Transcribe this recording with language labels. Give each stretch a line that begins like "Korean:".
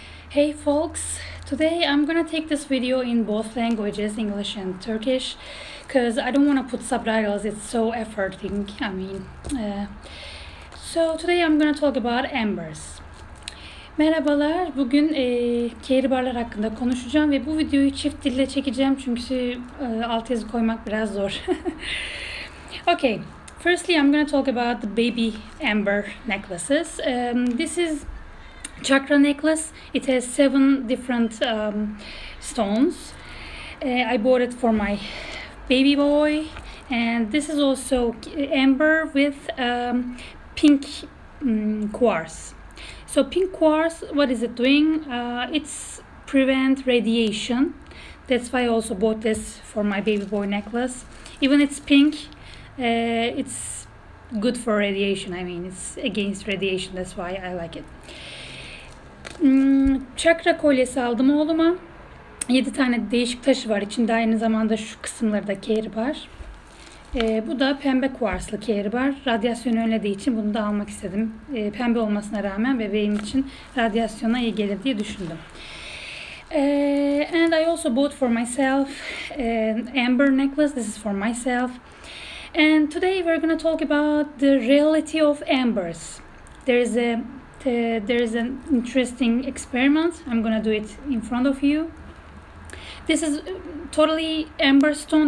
English: Hey folks, today I'm gonna take this video in both languages, English and Turkish, because I don't want to put subtitles, it's so efforting. So today I'm gonna talk about embers.
Turkish: Merhabalar, bugün kehribarlar hakkında konuşacağım ve bu videoyu çift dille çekeceğim çünkü alt yazı koymak biraz zor.
English: Okay, firstly I'm gonna talk about the baby ember necklaces. This is chakra necklace. It has 7 different stones. I bought it for my baby boy, and this is also amber with pink quartz. So pink quartz, what is it doing? It's prevent radiation. That's why I also bought this for my baby boy necklace. Even it's pink, it's good for radiation. I mean, it's against radiation. That's why I like it.
Turkish: Çakra kolyesi aldım oğluma. 7 tane değişik taşı var içinde. Aynı zamanda şu kısımları da kehribar. Bu da pembe kuarslı kehribar. Radyasyonu önlediği için bunu da almak istedim. Pembe olmasına rağmen bebeğim için radyasyona iyi gelir diye düşündüm.
English: And I also bought for myself an amber necklace. This is for myself. And today we're going to talk about the reality of embers. There is an interesting experiment. I'm gonna do it in front of you. This is totally amber stone.